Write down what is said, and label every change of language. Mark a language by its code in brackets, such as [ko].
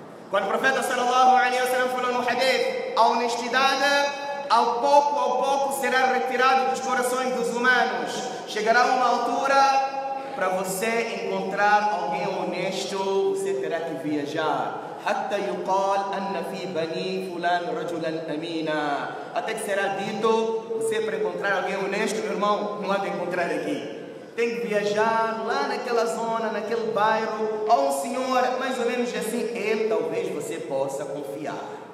[pt] Quando o profeta sallallahu alaihi wasallam falou no hadith, a honestidade ao pouco será retirada dos corações dos humanos. Chegará uma altura para você encontrar alguém honesto, você terá que viajar. Até [ar] يقال ان في بني فلان رجلا امينا. [pt] Até que será dito, você para encontrar alguém honesto, meu irmão, não há de encontrar aqui. Tem que viajar lá naquela zona, naquele bairro, ou um senhor, mais ou menos assim, ele talvez você possa confiar.